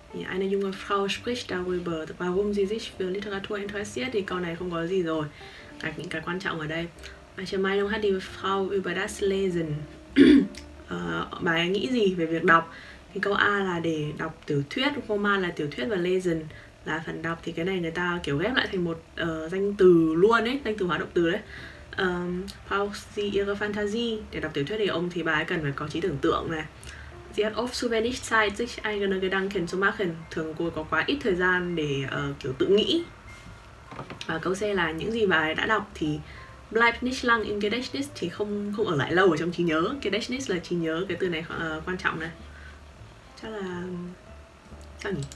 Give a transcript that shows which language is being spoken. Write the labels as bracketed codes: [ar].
[de] Eine junge Frau spricht darüber, warum sie sich für Literatur interessiert. [vi] Thì câu này không có gì rồi. Cả những cái quan trọng ở đây. [de] Welche Meinung hat die Frau über das Lesen? [vi] Bà ấy nghĩ gì về việc đọc? Thì câu A là để đọc tiểu thuyết, Roman là tiểu thuyết và Lesen là phần đọc. Thì cái này người ta kiểu ghép lại thành một danh từ luôn ấy, danh từ hoạt động từ đấy. [de] Braucht sie ihre Fantasie? [vi] Để đọc tiểu thuyết thì ông thì bà ấy cần phải có trí tưởng tượng này. [de] Sie hat oft zu wenig Zeit, sich eigene Gedanken zu machen. [vi] Thường cô có quá ít thời gian để kiểu tự nghĩ. Và câu C là những gì bà ấy đã đọc thì [de] bleibt nicht lang im Gedächtnis, [vi] thì không ở lại lâu ở trong trí nhớ. Gedächtnis là trí nhớ, cái từ này quan trọng này. Chắc là sao nhỉ?